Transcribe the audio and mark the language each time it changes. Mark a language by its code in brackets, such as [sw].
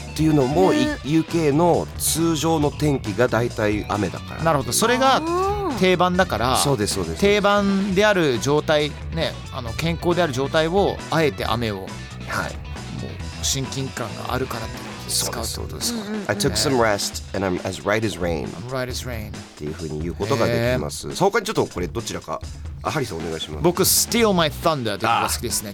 [ja] っていうのも、UK の通常の天気が大体雨だから。なるほど、それが定番だから。そうですそうです。定番である状態ね、あの健康である状態をあえて雨を、はい、もう親近感があるからって使うってことですか。 [en] I took some rest and I'm as right as rain。 I'm right as rain [ja] っていう風に言うことができます。他にちょっとこれどちらか、あ、ハリさんお願いします。僕 [en] steal my thunder [ja] で好きですね。